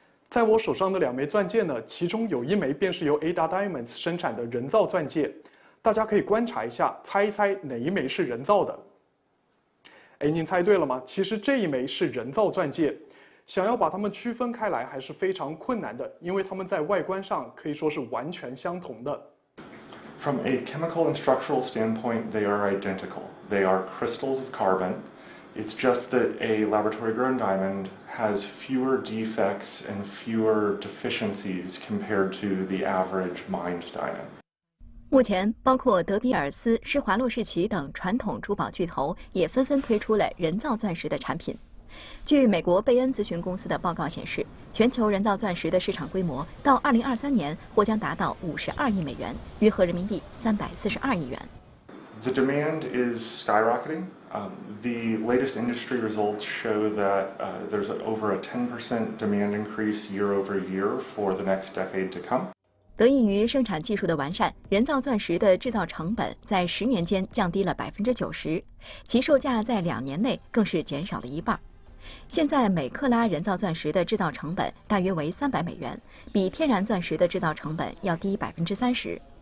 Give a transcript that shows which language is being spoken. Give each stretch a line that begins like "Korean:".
Chinese: 在我手上的两枚钻戒呢，其中有一枚便是由 Ada Diamonds 生产的人造钻戒，大家可以观察一下，猜一猜哪一枚是人造的。哎，您猜对了吗？其实这一枚是人造钻戒，想要把它们区分开来还是非常困难的，因为它们在外观上可以说是完全相同的。
English: From a chemical and structural standpoint, they are identical. They are crystals of carbon. It's just that a laboratory-grown diamond has fewer defects and fewer deficiencies compared to the average mined diamond.
Chinese: 目前，包括德比尔斯、施华洛世奇等传统珠宝巨头也纷纷推出了人造钻石的产品。据美国贝恩咨询公司的报告显示，全球人造钻石的市场规模到2023年或将达到52亿美元，约合人民币342亿元。
English: The demand is skyrocketing. The latest industry results show that there's over a 10% demand increase year over year for the next decade to come.
Chinese: 得益于生产技术的完善，人造钻石的制造成本在10年间降低了90%，其售价在2年内更是减少了一半。现在每克拉人造钻石的制造成本大约为300美元，比天然钻石的制造成本要低30%。